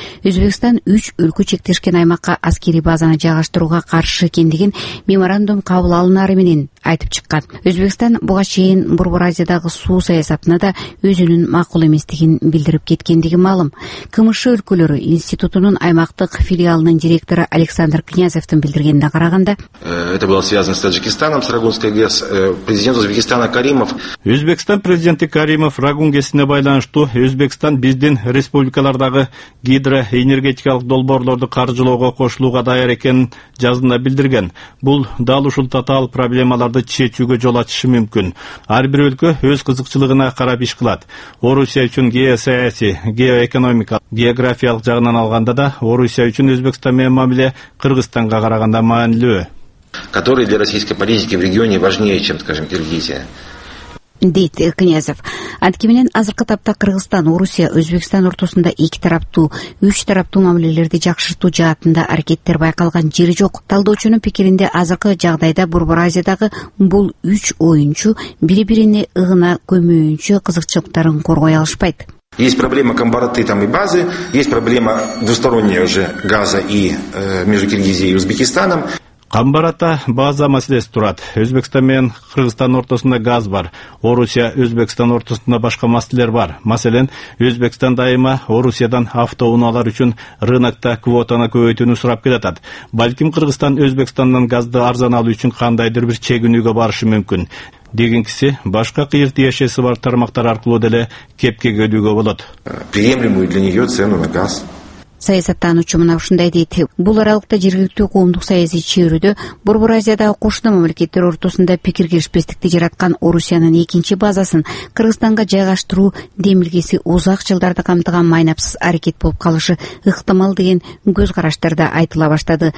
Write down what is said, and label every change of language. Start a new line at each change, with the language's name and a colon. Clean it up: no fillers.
Kyrgyz: Өзбекстан 3 өлкө чектешкен аймакка аскерий базаны жайгаштырууга каршы экендигин меморандум кабыл алынары менен айтып чыккан. Өзбекстан буга чейин Борбор Азиядагы суу саясатына да өзүнүн макул эместигин билдирип кеткендиги маалым. КМШ өлкөлөрү институтунун аймактык филиалынын директору Александр Князевтин билдиргенине караганда,
Russian: это было связано с Таджикистаном, с Рагунской ГЭС. Президент Узбекистана Каримов.
Kyrgyz: Өзбекстан президенти Каримов Рагун ГЭСине байланыштуу Өзбекстан биздин республикалардагы гидроэнергетикалык долбоорлорду каржылоого кошулууга даяр экенин жазында билдирген. Бул дал ушул татаал проблемалар аларды чечүүгө жол ачышы мүмкүн. Ар бир өлкө өз кызыкчылыгына карап иш кылат. Орусия үчүн геосаясий, геоэкономика, географиялык жагынан алганда да Орусия үчүн Өзбекстан менен мамиле Кыргызстанга караганда маанилүү.
Russian: Которые для российской политики в регионе важнее, чем, скажем, Киргизия.
Kyrgyz: Дейт Князев. Анткеминен азыркы тапта Кыргызстан, Орусия, Өзбекстан ортосунда эки тараптуу, үч тараптуу мамилелерди жакшыртуу жаатында аракеттер байкалган жери жок. Талдоочунун пикиринде азыркы жагдайда Борбор Азиядагы бул үч оюнчу бири бирине ыгына көмүүнчү кызыкчылыктарын коргой алышпайт.
Russian: Есть проблема комбарты там и базы, есть проблема двусторонняя уже газа и между Киргизией и Узбекистаном.
Kyrgyz: Камбарата база маселеси турат. Өзбекстан менен Кыргызстан ортосунда газ бар. Орусия, Өзбекстан ортосунда башка маселелер бар. Маселен, Өзбекстан дайыма Орусиядан автоунаалар үчүн рынокта квотаны көбөйтүүнү сурап келатат. Балким Кыргызстан Өзбекстандан газды арзан алуу үчүн кандайдыр бир чегинүүгө барышы мүмкүн. Дегенкиси, башка кыйык тиешеси бар тармактар аркылуу деле кепке көдүүгө болот.
Russian: Приемлемую для нее цену на газ.
Kyrgyz: Саясаттануучу мына ушундай дейт. Бул аралыкта жергиликтүү коомдук саясий чөйрөдө Борбор Азиядагы кошуна мамлекеттер ортосунда пикир келишпестикти жараткан Орусиянын экинчи базасын Кыргызстанга жайгаштыруу демилгеси узак жылдарды камтыган майнапсыз аракет болуп калышы ыктымал деген көз караштар да айтыла баштады.